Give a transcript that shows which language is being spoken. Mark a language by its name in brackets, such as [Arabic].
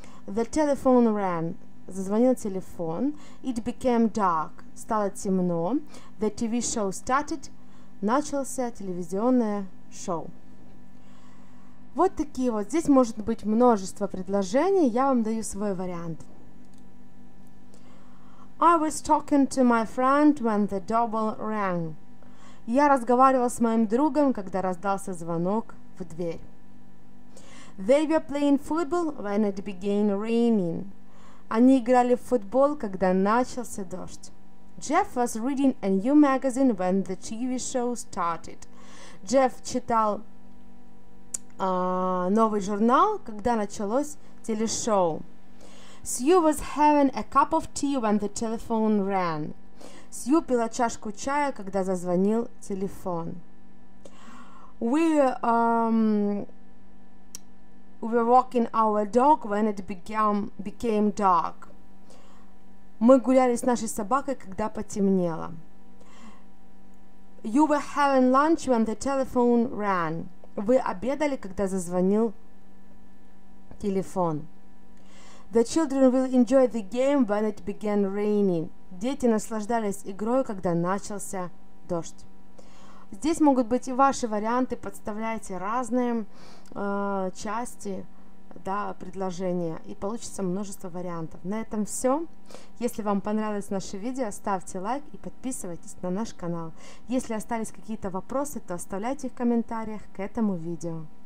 [English] The telephone rang. [Russian] Зазвонил телефон. [English] It became dark. [Russian] Стало темно. [English] The TV show started. [Russian] Начался телевизионное шоу. Вот такие вот. Здесь может быть множество предложений. Я вам даю свой вариант. [English] I was talking to my friend when the doorbell rang. [Russian] Я разговаривал с моим другом, когда раздался звонок в дверь. [English] They were playing football when it began raining. [Russian] Они играли в футбол, когда начался дождь. [English] Jeff was reading a new magazine when the TV show started. [Russian] Джефф читал новый журнал, когда началось телешоу. [English] Sue was having a cup of tea when the telephone rang. [Russian] Сью пила чашку чая, когда зазвонил телефон. [English] We were walking our dog when it became dark. [Russian] Мы гуляли с нашей собакой, когда потемнело. [English] You were having lunch when the telephone rang. [Russian] Вы обедали, когда зазвонил телефон. [English] The children will enjoy the game when it began raining. [Russian] Дети наслаждались игрой, когда начался дождь. Здесь могут быть и ваши варианты. Подставляйте разные части, да, предложения, и получится множество вариантов. На этом все. Если вам понравилось наше видео, ставьте лайк и подписывайтесь на наш канал. Если остались какие-то вопросы, то оставляйте их в комментариях к этому видео.